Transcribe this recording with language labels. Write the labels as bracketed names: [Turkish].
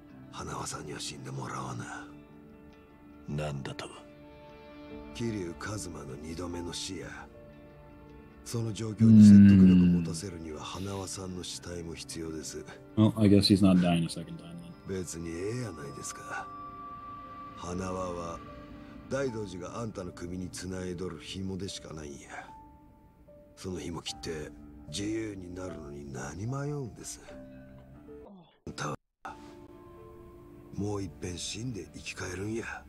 [Japanese] 花輪さんには死んでもらわな。なんだと。桐生一馬の二度目の死や。その状況に説得力を持たせるには花輪さんの死体も必要です。 [English] Well, I guess he's not dying a second time, then. [Japanese] 別にええやないですか。花輪は大道寺があんたの首に繋いどる紐でしかないんや。その紐切って自由になるのに何迷うんです。あんたはもう一遍死んで生き返るんや。